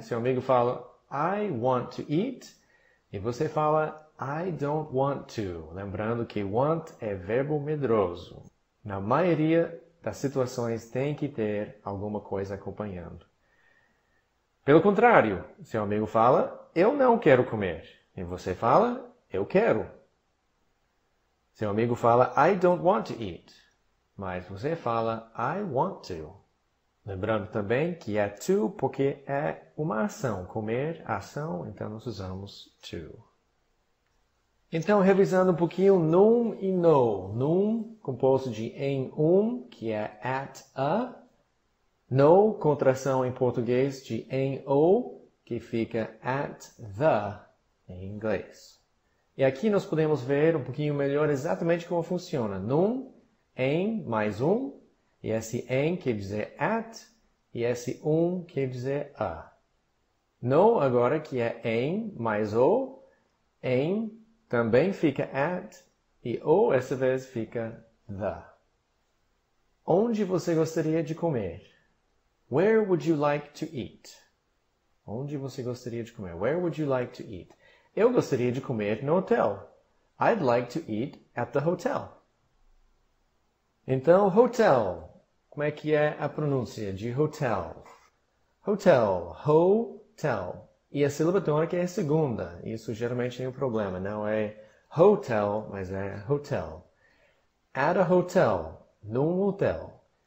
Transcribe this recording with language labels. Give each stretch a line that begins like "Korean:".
Portuguese: Seu amigo fala,
English: I want to eat.
Portuguese: E você fala,
English: I don't want to.
Portuguese: Lembrando que want é verbo medroso. Na maioria das situações tem que ter alguma coisa acompanhando. Pelo contrário, seu amigo fala, eu não quero comer. E você fala, eu quero. Seu amigo fala,
English: I don't want to eat.
Portuguese: Mas você fala,
English: I want to.
Portuguese: Lembrando também que é to porque é uma ação. Comer, ação, então nós usamos to. Então, revisando um pouquinho, num e no. Num, composto de em um, que é at a. No, contração em português de em o, que fica at the, em inglês. E aqui nós podemos ver um pouquinho melhor exatamente como funciona. Num, em, mais um. E esse em quer dizer at, e esse um quer dizer a. No, agora, que é em, mais o, em, também fica at, e ou essa vez fica the. Onde você gostaria de comer?
English: Where would you like to eat?
Portuguese: Onde você gostaria de comer?
English: Where would you like to eat?
Portuguese: Eu gostaria de comer no hotel.
English: I'd like to eat at the hotel.
Portuguese: Então, hotel. Como é que é a pronúncia de hotel? Hotel. Hotel. E a sílaba tônica é a segunda. Isso geralmente tem um problema. Não é hotel, mas é hotel.
English: At a hotel,
Portuguese: num hotel.